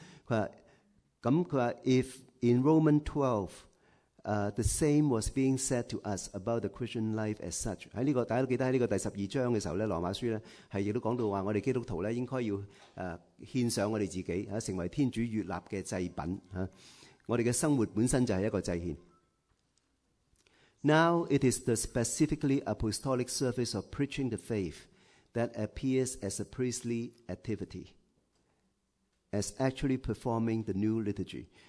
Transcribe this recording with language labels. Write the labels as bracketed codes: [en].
[zh] 他说 [en] if in Roman 12the same was being said to us about the Christian life as such。 [zh] 在这个大家都记得，在这个第十二章的时候，罗马书呢也都讲到说，我们基督徒应该要献上我们自己，成为天主悦纳的祭品，我们的生活本身就是一个祭献。 [en] Now it is the specifically apostolic service of preaching the faith that appears as a priestly activity as actually performing the new liturgy。